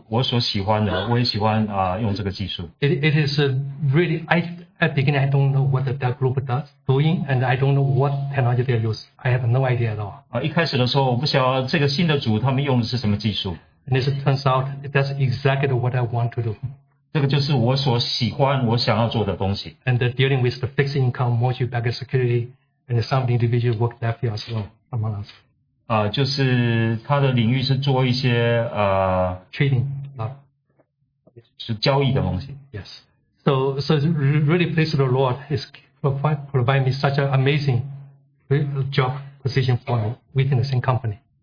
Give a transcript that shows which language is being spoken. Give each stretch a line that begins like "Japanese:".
Chinese: 这个技术是我所喜欢的，我也喜欢用这个技术。
English: It is really, at the beginning, I don't know what that group does doing, and I don't know what technology they use. I have no idea at all.
Chinese: 一开始的时候，我不晓得这个新的组他们用的是什么技术。
English: And it turns out that's exactly what I want to do.
Chinese: 这个就是我所喜欢，我想要做的东西。
English: And the dealing with the fixed income, mortgage backed security, and some individual work that way as well, among us.
Chinese: 就是他的领域是做一些trading,
English: not
Chinese: 是交易的东西。
English: Yes. So really praise the Lord is provide me such an amazing job position for me within the same company.